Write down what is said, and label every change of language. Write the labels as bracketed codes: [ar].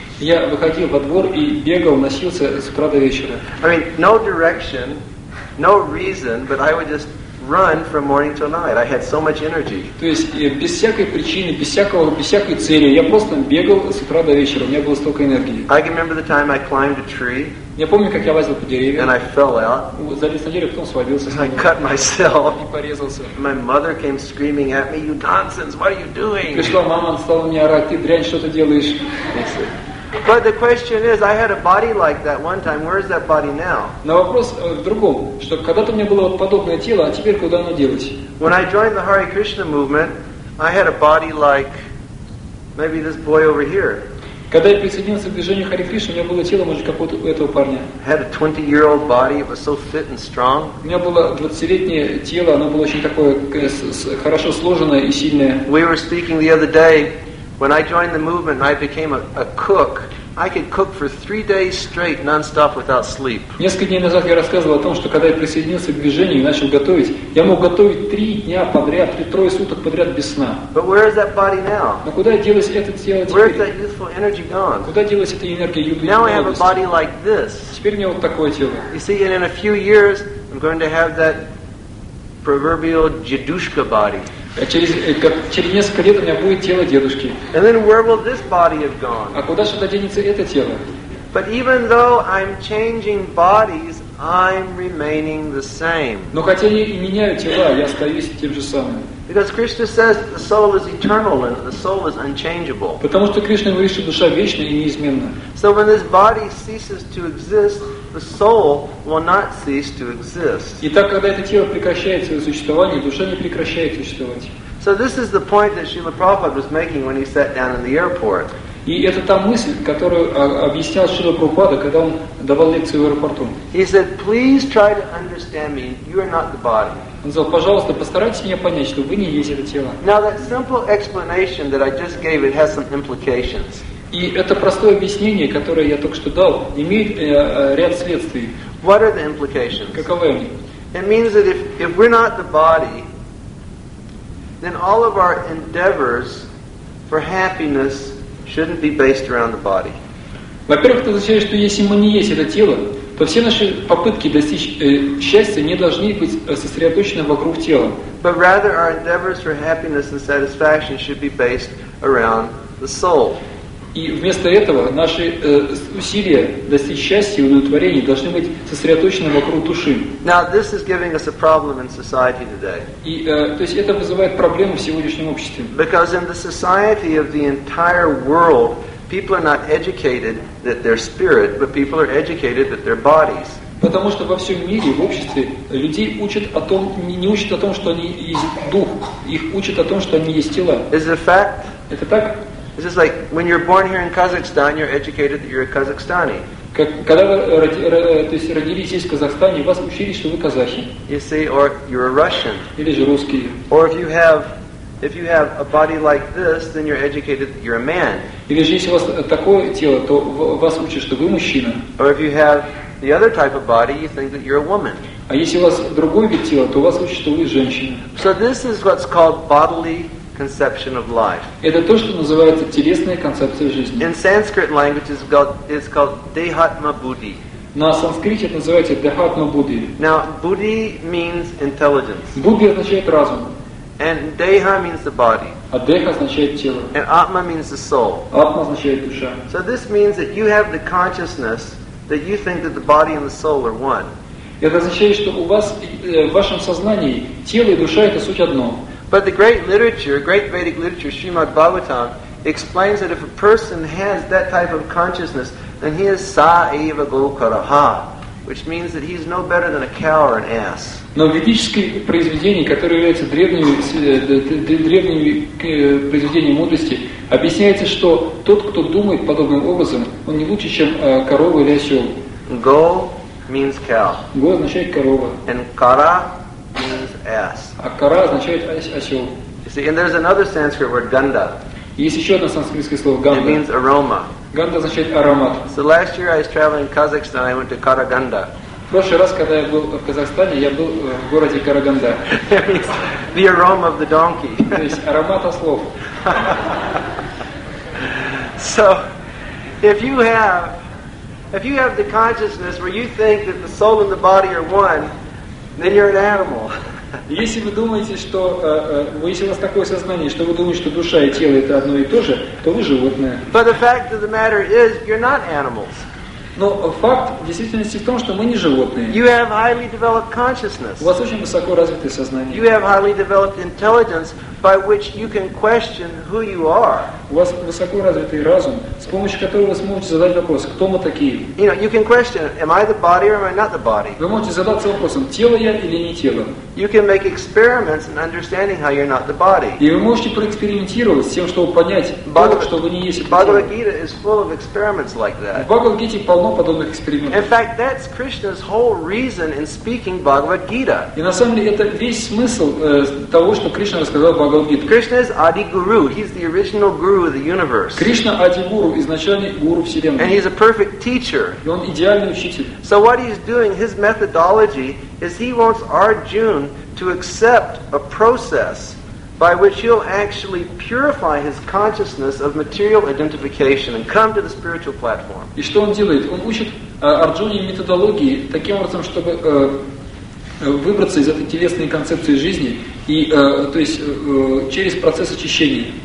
[ru] Я выходил во двор и бегал, носился с утра до вечера. [en] I mean, no direction, no reason, but I would just run from morning till night. I had so much energy. [ru] То есть без всякой причины, без всякой цели, я просто бегал с утра до вечера. У меня было столько энергии. [en] I can remember the time I climbed a tree. [ru] Я помню, как я лазил по деревьям. [en] And I fell out. [ru] Залез на дерево, потом свалился. [en] I cut myself. [ru] И порезался. [en] My mother came screaming at me, "You nonsense! What are you doing?" [ru] Пришла мама, стала меня орать, "Ты дрянь, что ты делаешь?" [en] But the question is, I had a body like that one time. Where is that body now? [ru] На вопрос в другом, что когда-то у меня было подобное тело, а теперь куда оно делось? [en] When I joined the Hare Krishna movement, I had a body like maybe this boy over here. [ru] Когда я присоединился к движению Харе Кришна, у меня было тело, может, как у этого парня. [en] Had a 20-year-old body. It was so fit and strong. [ru] У меня было 20-летнее тело, оно было очень такое хорошо сложенное и сильное. [en] We were speaking the other day. When I joined the movement, I became a cook. I could cook for 3 days straight, non-stop, without sleep. [ru] Несколько дней назад я рассказывал о том, что когда я присоединился к движению и начал готовить, я мог готовить 3 дня подряд, 3 суток подряд без сна. [en] But where is that body now? [ru] Но куда делось это тело теперь? [en] Where is that youthful energy gone? [ru] Куда делось эта энергия юности? [en] Now I have a body like this. [ru] Теперь у меня вот такое тело. [en] You see, and in a few years, I'm going to have that proverbial jadushka body. [ru] Через несколько лет у меня будет тело дедушки. [en] And then where will this body have gone? [ru] А куда же денется это тело? [en] But even though I'm changing bodies, I'm remaining the same. [ru] Но хотя я и меняю тела, я остаюсь тем же самым. [en] Because Krishna says the soul is eternal and the soul is unchangeable. [ru] Потому что Кришна говорит, что душа вечна и неизменна. [en] So when this body ceases to exist, the soul will not cease to exist. [ru] Итак, когда это тело прекращает свое существование, душа не прекращает существовать. [en] So this is the point that Srila Prabhupada was making when he sat down in the airport. [ru] И это та мысль, которую объяснял Шрила Прабхупада, когда он давал лекцию в аэропорту. [en] He said, please try to understand me. You are not the body. [ru] Он сказал, пожалуйста, постарайтесь меня понять, что вы не есть это тело. [en] Now that simple explanation that I just gave, it has some implications. [ru] И это простое объяснение, которое я только что дал, имеет ряд следствий. [en] What are the implications? [ru] Каковы они? [en] It means that if we're not the body, then all of our endeavors for happiness shouldn't be based around the body. [ru] Во-первых, это означает, что если мы не есть это тело, то все наши попытки достичь счастья не должны быть сосредоточены вокруг тела. [en] But rather our endeavors for happiness and satisfaction should be based around the soul. [ru] И вместо этого наши усилия достичь счастья и удовлетворения должны быть сосредоточены вокруг души. [en] Now this is giving us a problem in society today. [ru] И то есть это вызывает проблемы в сегодняшнем обществе. [en] Because in the society of the entire world, people are not educated that they're spirit, but people are educated that they're bodies. [ru] Потому что во всем мире, в обществе, людей учат о том, не учат о том, что они есть дух, их учат о том, что они есть тело. [en] Is it a fact? [ru] Это так? [en] It's just like when you're born here in Kazakhstan, you're educated that you're a Kazakhstani. [ru] Когда вы родились здесь, в Казахстане, вас учили, что вы казахи. [en] You see, or you're a Russian. [ru] Или же русский. [en] Or if you have a body like this, then you're educated that you're a man. [ru] Или же если у вас такое тело, то вас учат, что вы мужчина. [en] Or if you have the other type of body, you think that you're a woman. [ru] А если у вас другой вид тела, то вас учат, что вы женщина. [en] So this is what's called bodily conception of life. [ru] Это то, что называется телесная концепция жизни. [en] In Sanskrit language it's called Dehatma Buddhi. [ru] На санскрите это называется Dehatma Buddhi. [en] Now Buddhi means intelligence. [ru] Buddhi означает разум. [en] And Deha means the body. [ru] А Deha означает тело. [en] And Atma means the soul. [ru] Atma означает душа. [en] So this means that you have the consciousness that you think that the body and the soul are one. [ru] Это означает, что у вас в вашем сознании тело и душа это суть одно. [en] But the great literature, great Vedic literature, Srimad Bhagavatam, explains that if a person has that type of consciousness, then he is [sa] sa eva gokaraha, [en] which means that he's no better than a cow or an ass. [ru] Но ведические произведения, которые являются древними произведениями мудрости, объясняется, что тот, кто думает подобным образом, он не лучше, чем корова или осел. [en] Go means cow. [ru] Go означает корова. [en] And kara means ass. [ru] А кара означает осел. [en] See, and there's another Sanskrit word, ganda. [ru] Есть еще одно санскритское слово ganda. [en] It means aroma. [ru] Ganda означает аромат. [en] So last year I was traveling in Kazakhstan. I went to Karaganda. [ru] В прошлый раз, когда я был в Казахстане, я был в городе Караганда. [en] The aroma of the donkey. [ru] То есть аромат ослов. [en] So if you have the consciousness where you think that the soul and the body are one, then you're an animal. [ru] Если вы думаете, что если у вас такое сознание, что вы думаете, что душа и тело это одно и то же, то вы животное. [en] But the fact of the matter is, you're not animals. [ru] Но факт в действительности в том, что мы не животные. [en] You have highly developed consciousness. [ru] У вас очень высоко развитое сознание. [en] You have highly developed intelligence by which you can question who you are. [ru] У вас высоко развитый разум, с помощью которого вы сможете задать вопрос, кто мы такие. [en] You know, you can question, am I the body or am I not the body? [ru] Вы можете задаться вопросом, тело я или не тело. [en] You can make experiments in understanding how you're not the body. [ru] И вы можете проэкспериментировать с тем, чтобы понять, что вы не есть тело. [en] Bhagavad Gita is full of experiments like that. [ru] Полно подобных экспериментов. [en] In fact, that's Krishna's whole reason in speaking Bhagavad Gita. [ru] И на самом деле это весь смысл того, что Кришна рассказал в Бхагавад-гите. [en] Krishna is Adi Guru. He's the original Guru of the universe. [ru] Кришна Ади Гуру, изначальный Гуру Вселенной. [en] And he's a perfect teacher. [ru] И он идеальный учитель. [en] So what he's doing, his methodology, is he wants Arjuna to accept a process by which he'll actually purify his consciousness of material identification and come to the spiritual platform. [ru] И что он делает? Он учит Арджуне методологии таким образом, чтобы выбраться из этой телесной концепции жизни и то есть через процесс очищения.